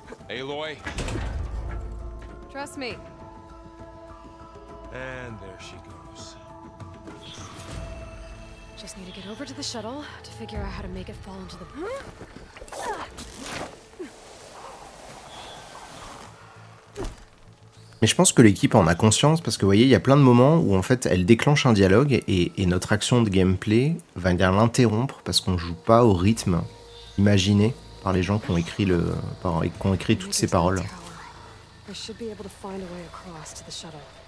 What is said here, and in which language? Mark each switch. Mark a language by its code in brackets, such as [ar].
[en] Aloy! Trust me. And there she goes. Just need to get over to the shuttle to figure out how to make it fall into the... [fr] Mais je pense que l'équipe en a conscience, parce que vous voyez, il y a plein de moments où en fait elle déclenche un dialogue et notre action de gameplay va venir l'interrompre parce qu'on joue pas au rythme imaginé par les gens qui ont écrit toutes ces paroles. [en] I should be able to find a way across to the shuttle.